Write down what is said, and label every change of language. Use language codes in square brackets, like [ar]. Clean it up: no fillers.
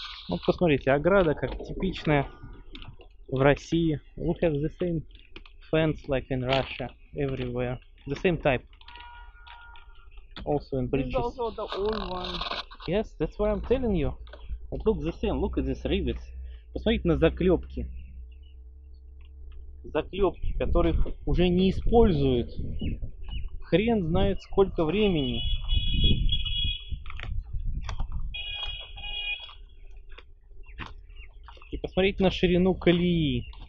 [ru] Вот посмотрите, ограда как типичная в России. [en] We have the same fence like in Russia everywhere. The same type. Also in bridges. This is also the old one. Yes, that's why I'm telling you. But look the same, look at this rivets. [ru] Посмотрите на заклепки. Заклепки, которых уже не используют. Хрен знает сколько времени. И посмотрите на ширину колеи.